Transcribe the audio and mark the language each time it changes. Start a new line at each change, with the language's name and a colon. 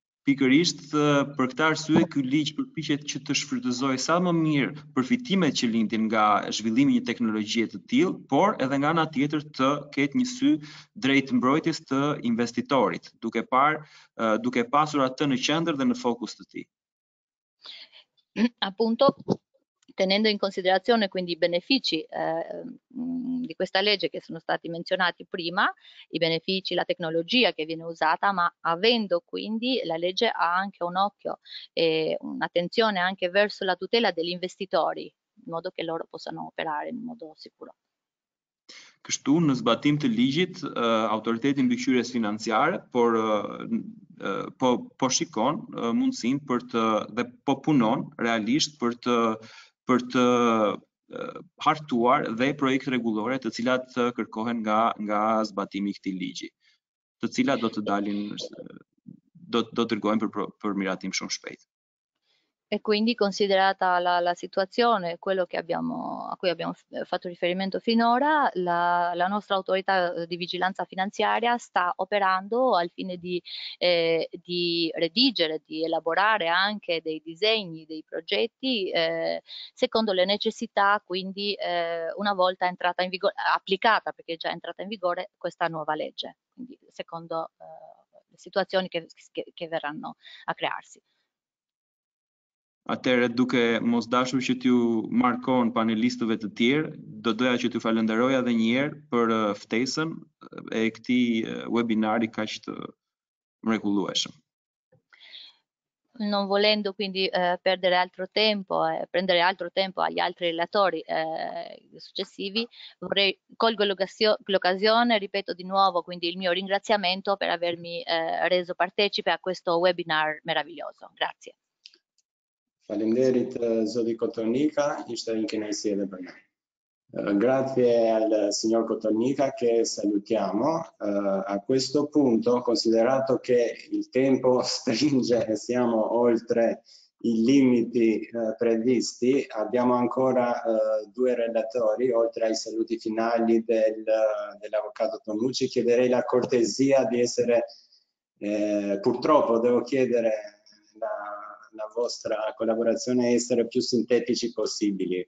Albanian: Pikërisht për këtë arsye ky ligj përpiqet që të shfrytëzojë sa më mirë përfitimet që lindin nga zhvillimi një teknologjie të tillë, por edhe nga ana tjetër të ketë një sy drejt mbrojtjes të investitorit, duke pasur atë në qendër dhe në fokus të tij.
Italian: Appunto, tenendo in considerazione quindi i benefici di questa legge che sono stati menzionati prima, i benefici, la tecnologia che viene usata, ma avendo quindi la legge ha anche un occhio e un'attenzione anche verso la tutela degli investitori, in modo che loro possano operare in modo sicuro.
Albanian: Kështu, në zbatim të ligjit, autoriteti mbikëqyrjes financiare po shikon mundësin për të, dhe po punon realisht për të hartuar dhe projekt rregullore të cilat kërkohen nga zbatimi i këtij ligji, të cilat do të dalin, do të dërgohen për miratim shumë shpejt.
Italian: E quindi, considerata la situazione, quello che abbiamo, a cui abbiamo fatto riferimento finora, la nostra autorità di vigilanza finanziaria sta operando al fine di redigere, di elaborare anche dei disegni, dei progetti, secondo le necessità, quindi una volta entrata in vigore, applicata, perché è già entrata in vigore, questa nuova legge, quindi secondo le situazioni che verranno a crearsi.
Albanian: Atëherë, duke mos dashur që t'ju markon panelistëve të tjerë, do doja që t'ju falenderoja edhe një herë për ftesën e këtij webinari kaq të mrekullueshëm.
Italian: Non volendo quindi perdere altro tempo e prendere altro tempo agli altri relatori successivi, colgo l'occasione, ripeto di nuovo quindi il mio ringraziamento per avermi reso partecipe a questo webinar meraviglioso. Grazie.
Albanian: Faleminderit Zoti Kotonika, ishte një kënaqësi edhe për ne.
Italian: Grazie al signor Kotonika che salutiamo. A questo punto, considerato che il tempo stringe e siamo oltre i limiti previsti, abbiamo ancora due relatori, oltre ai saluti finali dell'avvocato Tonucci, chiederei la cortesia di essere, purtroppo devo chiedere la vostra collaborazione, essere più sintetici possibili.